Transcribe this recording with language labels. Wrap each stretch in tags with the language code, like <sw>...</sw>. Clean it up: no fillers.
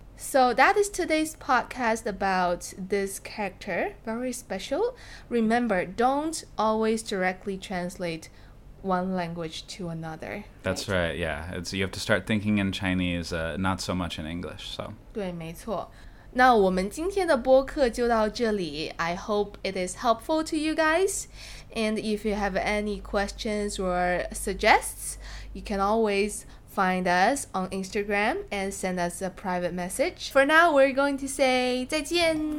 <en>So that is today's podcast about this character. Very special. Remember, don't always directly translate one language to another. That's right, yeah. You have to start thinking in Chinese, not so much in English, so.</en> <zh>对，没错。那我们今天的播客就到这里。</zh> <en>I hope it is helpful to you guys. And if you have any questions or suggests, you can always find us on Instagram and send us a private message. For now, we're going to say 再见。</en>